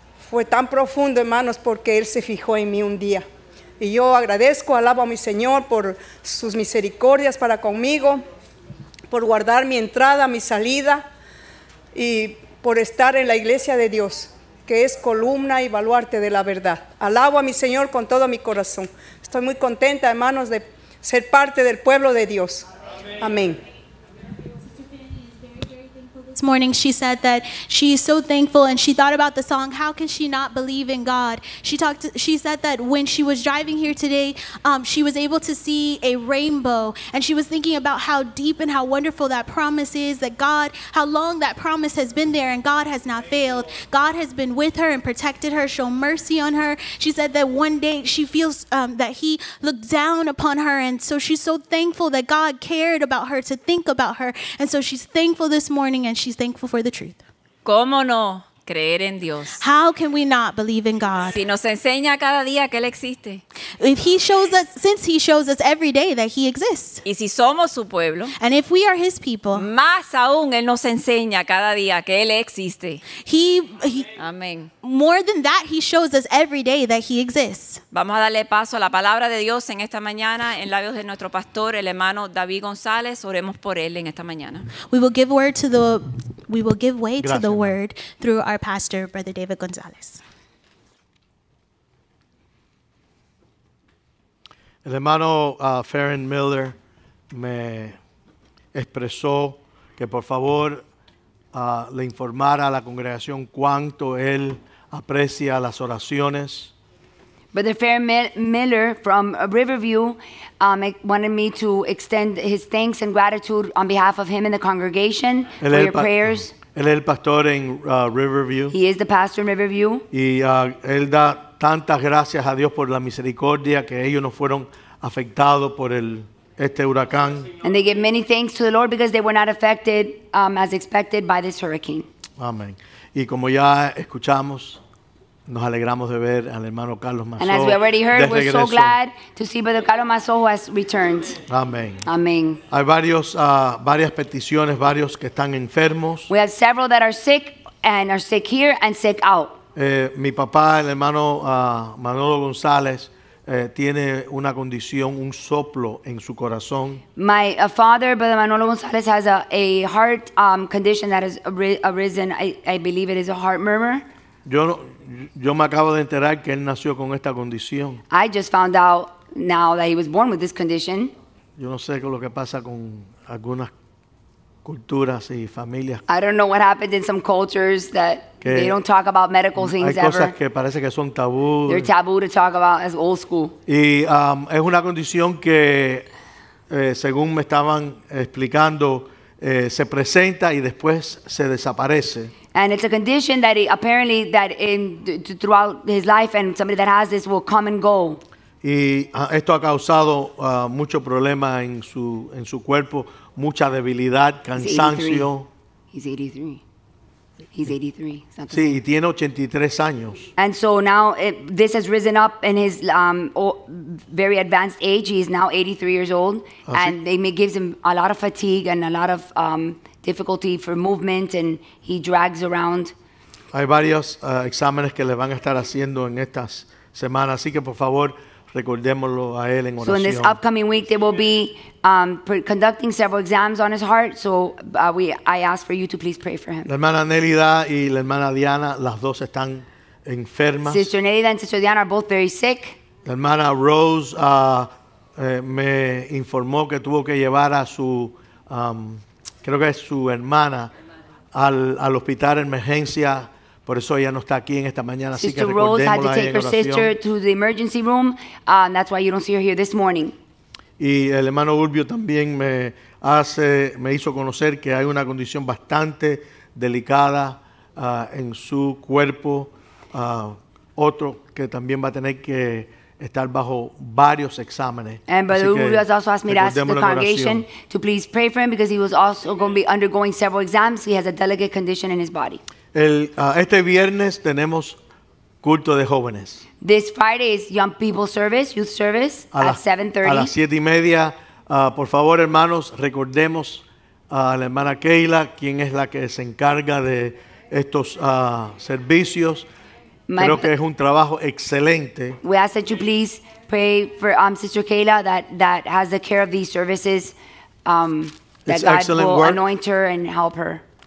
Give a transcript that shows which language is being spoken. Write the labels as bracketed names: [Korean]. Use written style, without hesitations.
[Spanish] Fue tan profundo, hermanos, porque Él se fijó en mí un día. Y yo agradezco, alabo a mi Señor por sus misericordias para conmigo, por guardar mi entrada, mi salida, y por estar en la iglesia de Dios, que es columna y baluarte de la verdad. Alabo a mi Señor con todo mi corazón. Estoy muy contenta, hermanos, de ser parte del pueblo de Dios. Amén. Amén. [English] This morning she said that she is so thankful, and she thought about the song, how can she not believe in God? She said that when she was driving here today, she was able to see a rainbow, and she was thinking about how deep and how wonderful that promise is, that God, how long that promise has been there, and God has not failed. God has been with her and protected her, shown mercy on her. She said that one day she feels that he looked down upon her, and so she's so thankful that God cared about her, to think about her, and so she's thankful this morning, and she's thankful for the truth. [Spanish] ¿Cómo no creer en Dios? [English] How can we not believe in God? [Spanish] Si nos enseña cada día que Él existe. [English] If He shows us, since He shows us every day that He exists. [Spanish] Y si somos su pueblo. [English] And if we are His people. [Spanish] Más aún, Él nos enseña cada día que Él existe. Amén. [English] More than that, He shows us every day that He exists. [Spanish] Vamos a darle paso a la palabra de Dios en esta mañana en labios de nuestro pastor, el hermano David Gonzalez. Oremos por él en esta mañana. [English] We will give way [Spanish] Gracias. [English] To the word through our pastor, Brother David Gonzalez. [Spanish] El hermano Farron Miller me expresó que por favor le informara a la congregación cuánto él aprecia las oraciones. [English] Brother Farron Miller from Riverview wanted me to extend his thanks and gratitude on behalf of him and the congregation for your prayers. [Spanish] Él es el pastor en Riverview. [English] He is the pastor in Riverview. [Spanish] Y él da tantas gracias a Dios por la misericordia que ellos no fueron afectados por este huracán. [English] And they give many thanks to the Lord because they were not affected as expected by this hurricane. [Spanish] Amén. Y como ya escuchamos, nos alegramos de ver al hermano Carlos Mazó. [English] And as we already heard, we're so glad to see Brother Carlos Mazó who has returned. [Spanish] Amén. Amén. Hay varias peticiones, varios que están enfermos. [English] We have several that are sick here and sick out. [Spanish] Mi papá, el hermano Manolo González, tiene una condición, un soplo en su corazón. [English] My father, Brother Manolo González, has a heart condition that has arisen. I believe it is a heart murmur. [Spanish] Yo me acabo de enterar que él nació con esta condición. [English] I just found out now that he was born with this condition. [Spanish] Yo no sé qué es lo que pasa con algunas culturas y familias. [English] I don't know what happened in some cultures that they don't talk about medical things ever. [Spanish] Hay cosas que parece que son tabú. [English] They're taboo to talk about as old school. [Spanish] Y es una condición que, según me estaban explicando, se presenta y después se desaparece. [English] And it's a condition that throughout his life, and somebody that has this will come and go. [Spanish] Y esto ha causado mucho problema en su cuerpo, mucha debilidad, cansancio. [English] He's 83. [Spanish] Sí, y tiene 83 años. [English] And so now this has risen up in his very advanced age. He is now 83 years old. [Spanish] Así. [English] And it gives him a lot of fatigue and a lot of difficulty for movement, and he drags around. [Spanish] Hay varios exámenes que le van a estar haciendo en estas semanas, así que por favor recordémoslo a él en oración. [English] So in this upcoming week they will be conducting several exams on his heart, so I ask for you to please pray for him. [Spanish] La hermana Nelida y la hermana Diana, las dos están enfermas. [English] Sister Nelida and Sister Diana are both very sick. [Spanish] La hermana Rose me informó que tuvo que llevar a su creo que es su hermana al hospital en emergencia Por eso ella no está aquí en esta mañana, así que recordémosla en oración. [English] Sister Rose had to take her sister to the emergency room, and that's why you don't see her here this morning. [Spanish] Y el hermano Urbio también me hizo conocer que hay una condición bastante delicada en su cuerpo. Otro que también va a tener que estar bajo varios exámenes. [English] And Brother Urbio has also asked me to ask the congregation to please pray for him because he was also going to be undergoing several exams. He has a delicate condition in his body. [Spanish] Este viernes tenemos culto de jóvenes. [English] This Friday is Young People Service, Youth Service, at 7:30. [Spanish] A las 7:30, por favor, hermanos, recordemos a la hermana Keila, quien es la que se encarga de estos servicios. Creo que es un trabajo excelente. [English] We ask that you please pray for Sister Keila that has the care of these services, that God will anoint her and help her.